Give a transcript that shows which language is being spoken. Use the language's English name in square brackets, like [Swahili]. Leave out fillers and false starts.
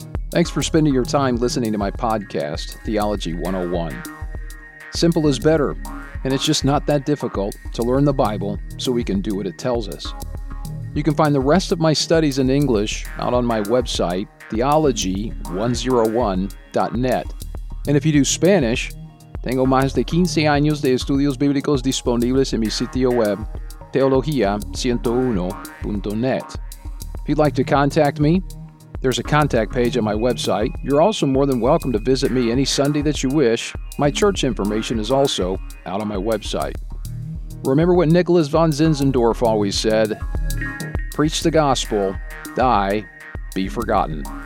[English] Thanks for spending your time listening to my podcast, Theology 101. Simple is better, and it's just not that difficult to learn the Bible so we can do what it tells us. You can find the rest of my studies in English out on my website, theology101.net. And if you do Spanish, [Spanish] tengo más de 15 años de estudios bíblicos disponibles en mi sitio web, teología101.net. [English] If you'd like to contact me, there's a contact page on my website. You're also more than welcome to visit me any Sunday that you wish. My church information is also out on my website. Remember what Nicholas von Zinzendorf always said, preach the gospel, die, be forgotten.